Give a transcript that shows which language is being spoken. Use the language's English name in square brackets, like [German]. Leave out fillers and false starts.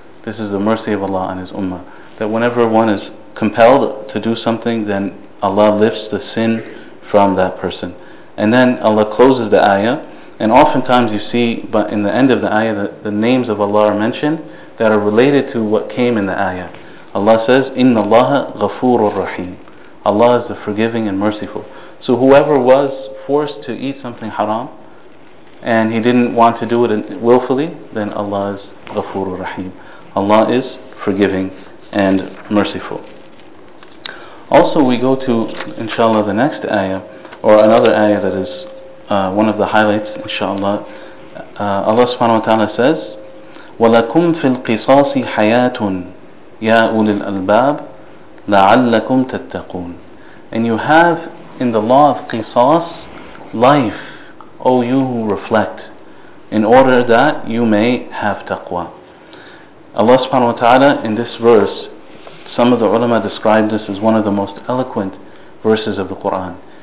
[English] This is the mercy of Allah on His ummah. That whenever one is compelled to do something, then Allah lifts the sin from that person. And then Allah closes the ayah, and oftentimes you see, but in the end of the ayah, the names of Allah are mentioned that are related to what came in the ayah. Allah says, [Arabic] إِنَّ اللَّهَ غَفُورٌ رَّحِيمٌ. [English] Allah is the forgiving and merciful. So whoever was forced to eat something haram, and he didn't want to do it willfully, then Allah is [Arabic] غَفُورٌ رَّحِيمٌ. [English] Allah is forgiving and merciful. Also, we go to, inshallah, the next ayah, or another ayah that is one of the highlights, inshallah. [Arabic] Allah subhanahu wa ta'ala says, وَلَكُمْ فِي الْقِصَاصِ حَيَاةٌ يَا أُولِي الْأَلْبَابِ لَعَلَّكُمْ تَتَّقُونَ. [English] And you have in the law of qisas life, O you who reflect. in order that you may have taqwa. Allah subhanahu wa ta'ala in this verse, some of the ulama described this as one of the most eloquent verses of the Quran.